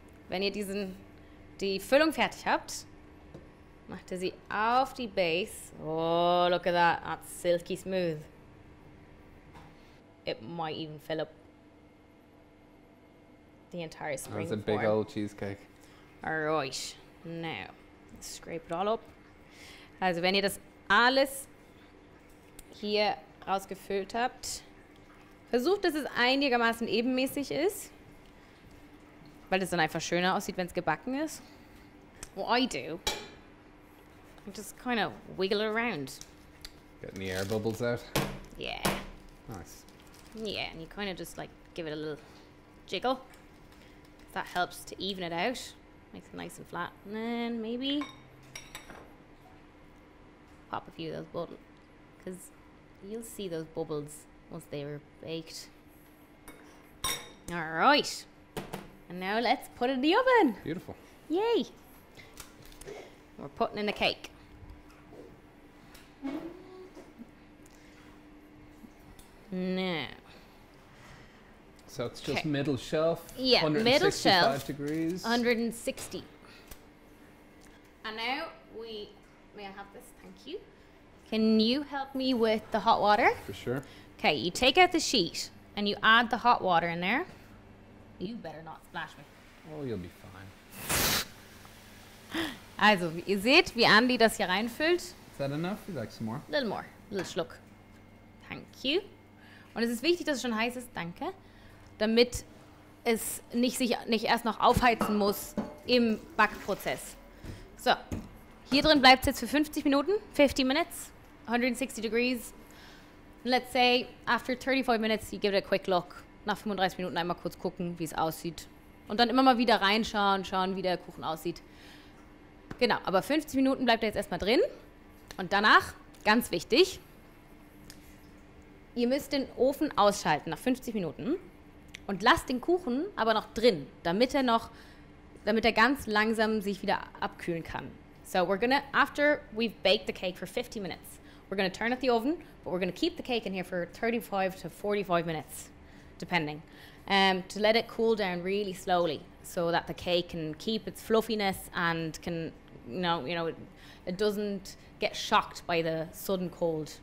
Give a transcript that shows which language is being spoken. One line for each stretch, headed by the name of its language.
German: Wenn ihr die Füllung fertig habt, macht ihr sie auf die Base.
English: Oh, look at that. That's silky smooth. It might even fill up the entire spring. That's a big old cheesecake. All right. Now, scrape it all up.
German: Also, wenn ihr das alles hier rausgefüllt habt, versucht, dass es einigermaßen ebenmäßig ist. Weil es dann einfach schöner aussieht, wenn es gebacken ist.
English: What I do, I just kind of wiggle it around. Getting the air bubbles out. Yeah. Nice. Yeah, and you kind of just like give it a little jiggle. That helps to even it out. Makes it nice and flat. And then maybe pop a few of those bubbles. Because you'll see those bubbles once they were baked. All right. And now let's put it in the oven. Beautiful. Yay. We're putting in the cake. Now. So it's just middle shelf. Yeah, middle shelf. 165 degrees. 160. And now may I have this? Thank you. Can you help me with the hot water? For sure. Okay, you take out the sheet and you add the hot water in there. You better not splash me. Oh, you'll be fine.
German: Also, ihr seht, wie Andy das hier reinfüllt.
English: Is that enough? You'd like some more? A little more. A little schluck. Thank you.
German: Und es ist wichtig, dass es schon heiß ist. Danke. Damit es sich nicht erst noch aufheizen muss im Backprozess. So, hier drin bleibt es jetzt für 50 Minuten.
English: 50 minutes. 160 degrees. And let's say, after 35 minutes, you give it a quick look.
German: Nach 35 Minuten einmal kurz gucken, wie es aussieht. Und dann immer mal wieder reinschauen, schauen, wie der Kuchen aussieht. Genau, aber 50 Minuten bleibt er jetzt erstmal drin. Und danach, ganz wichtig, ihr müsst den Ofen ausschalten nach 50 Minuten und lasst den Kuchen aber noch drin, damit er ganz langsam sich wieder abkühlen kann.
English: So we're gonna, after we've baked the cake for 50 minutes, we're gonna turn off the oven, but we're gonna keep the cake in here for 35 to 45 minutes. Depending, to let it cool down really slowly so that the cake can keep its fluffiness and can, you know, it doesn't get shocked by the sudden cold.